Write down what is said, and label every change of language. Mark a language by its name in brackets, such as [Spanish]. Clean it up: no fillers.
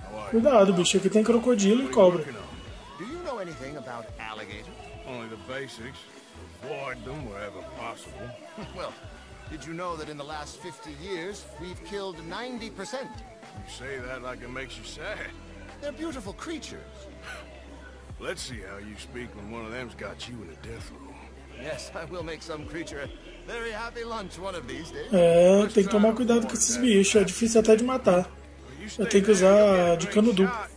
[Portuguese] Cuidado, bicho, aqui tem crocodilo e cobra. [English] Do you know anything about alligator? Only the basics. Avoid them wherever possible. Well, did you know that in the last 50 years we've killed 90%? You say that like it makes you sad. They're beautiful creatures. Let's see how you speak when one of them's got you in a death row. Yes, I will make some creature a very happy lunch one of these days. [Portuguese] É, tem que tomar cuidado com esses bichos, é difícil até de matar. Eu tenho que usar de cano duplo.